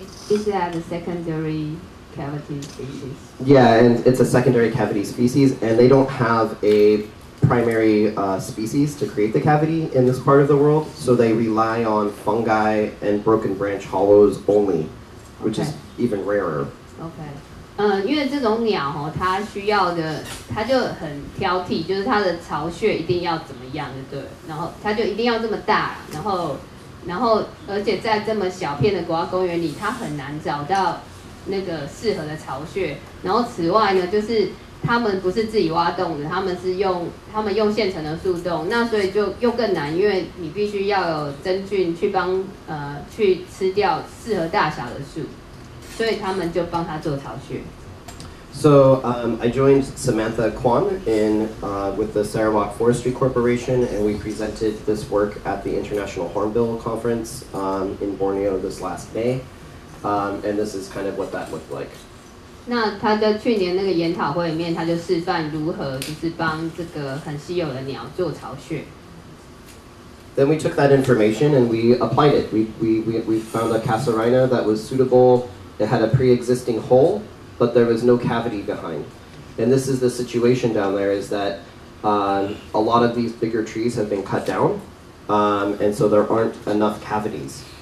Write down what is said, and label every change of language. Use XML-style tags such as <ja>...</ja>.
<en>Is that a secondary? Cavity species. Yeah, and it's a secondary cavity species, and they don't have a primary species to create the cavity in this part of the world, so they rely on fungi and broken branch hollows only, which okay. is even rarer. Okay.</en> <zh>因为这种鸟哦，它需要的，它就很挑剔，就是它的巢穴一定要怎么样，对不对？然后它就一定要这么大，然后而且在这么小片的国家公园里，它很难找到。那个适合的巢穴，然后此外呢，就是他们不是自己挖洞的，他们用现成的树洞，那所以就又更难，因为你必须要有真菌去帮去吃掉适合大小的树，所以他们就帮他做巢穴。</zh> <en>So I joined Samantha Kwan in with the Sarawak Forestry Corporation, and we presented this work at the International Hornbill Conference in Borneo this last May. And this is kind of what that looked like.</en> <zh>那他在去年那个研讨会里面，他就示范如何就是帮这个很稀有的鸟做巢穴。</zh> <en>Then we took that information and we applied it. We found a Casuarina that was suitable. It had a pre-existing hole, but there was no cavity behind. And this is the situation down there: is that a lot of these bigger trees have been cut down, and so there aren't enough cavities.</en>